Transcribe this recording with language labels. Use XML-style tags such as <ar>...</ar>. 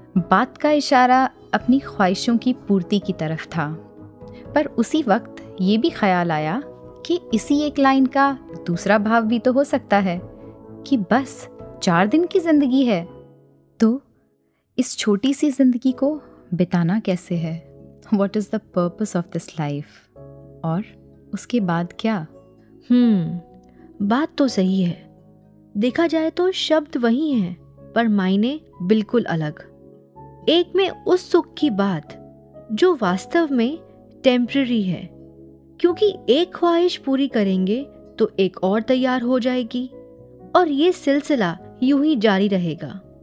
<hi>बात का इशारा अपनी ख्वाहिशों की पूर्ति की तरफ था, पर उसी वक्त ये भी ख्याल आया कि इसी एक लाइन का दूसरा भाव भी तो हो सकता है कि बस 4 दिन की जिंदगी है तो इस छोटी सी जिंदगी को बिताना कैसे है?</hi> <en>What is the purpose of this life?</en> <hi>और उसके बाद क्या? बात तो सही है, देखा जाए तो शब्द वही हैं, पर मायने बिल्कुल अलग। एक में उस सुख की बात जो वास्तव में टेम्प्ररी है, क्योंकि एक ख्वाहिश पूरी करेंगे तो एक और तैयार हो जाएगी और ये सिलसिला यूं ही जारी रहेगा।</hi>